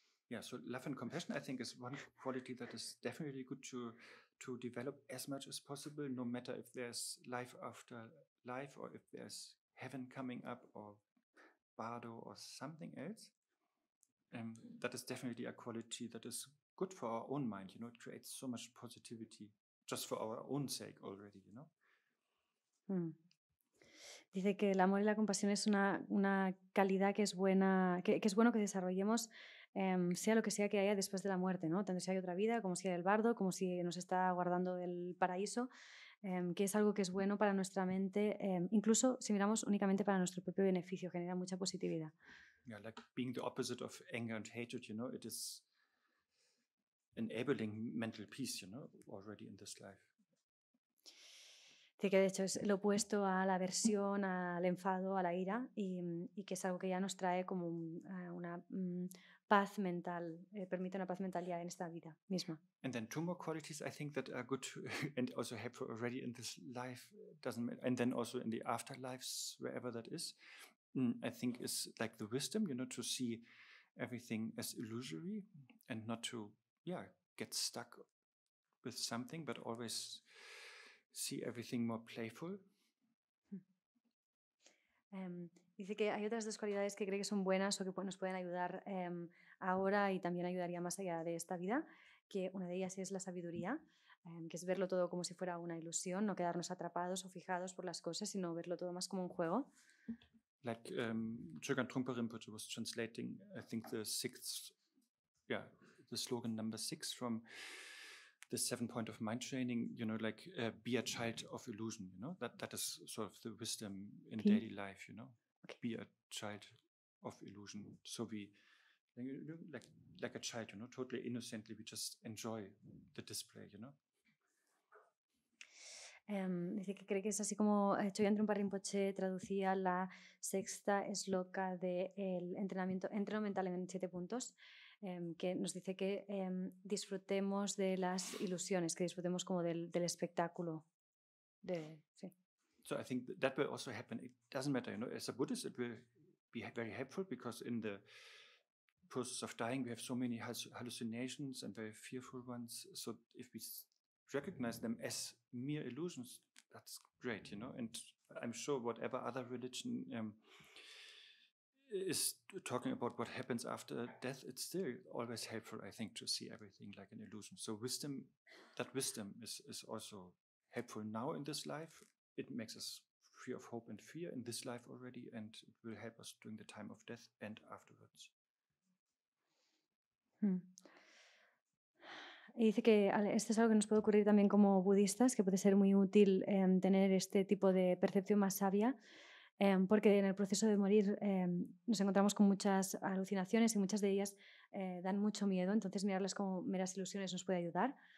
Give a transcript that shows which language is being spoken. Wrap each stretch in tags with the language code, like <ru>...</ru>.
<en>Yeah, so love and compassion, I think, is one quality that is definitely good to develop as much as possible, no matter if there's life after life or if there's heaven coming up or Bardo or something else, that is definitely a quality that is good for our own mind, you know, it creates so much positivity just for our own sake already, you know.</en> <es>Dice que el amor y la compasión es una calidad que es buena, que es bueno que desarrollemos sea lo que sea que haya después de la muerte, ¿no? Tanto si hay otra vida, como si hay el bardo, como si nos está guardando el paraíso, que es algo que es bueno para nuestra mente, incluso si miramos únicamente para nuestro propio beneficio, genera mucha positividad.</es> <en>Yeah, like being the opposite of anger and hatred, you know, it is enabling mental peace, you know, already in this life.</en> <es>Sí, que de hecho es lo opuesto a la aversión, al enfado, a la ira, y que es algo que ya nos trae como una paz mental, permite una paz mental ya en esta vida misma.</es> <en>And then two more qualities I think that are good and also helpful already in this life, doesn't matter, and then also in the afterlives, wherever that is, I think is like the wisdom, you know, to see everything as illusory and not to, yeah, get stuck with something, but always see everything more playful.</en> <es>Dice que hay otras dos cualidades que cree que son buenas o que nos pueden ayudar ahora y también ayudaría más allá de esta vida, que una de ellas es la sabiduría, que es verlo todo como si fuera una ilusión, no quedarnos atrapados o fijados por las cosas, sino verlo todo más como un juego.</es> <en>Like Chögyam Trungpa Rinpoche was translating, I think, the slogan number 6 from the 7 point of mind training, you know, like be a child of illusion, you know, that is sort of the wisdom in daily life, you know, be a child of illusion. So we like a child, you know, totally innocently, we just enjoy the display, you know.</en> <es>Dice que cree que es así como Choyantrum Parrinpoche traducía la sexta esloka del entrenamiento mental en siete puntos, que nos dice que disfrutemos de las ilusiones, que disfrutemos como del espectáculo.</es> <en>So I think that will also happen. It doesn't matter, you know, as a Buddhist it will be very helpful because in the process of dying we have so many hallucinations and very fearful ones. So if we recognize them as mere illusions, that's great, you know. And I'm sure whatever other religion is talking about what happens after death, it's still always helpful, I think, to see everything like an illusion. So wisdom, that wisdom is also helpful now in this life. It makes us free of hope and fear in this life already, and it will help us during the time of death and afterwards.</en> <es>Y dice que esto es algo que nos puede ocurrir también como budistas, que puede ser muy útil tener este tipo de percepción más sabia, porque en el proceso de morir nos encontramos con muchas alucinaciones y muchas de ellas dan mucho miedo, entonces mirarlas como meras ilusiones nos puede ayudar.</es>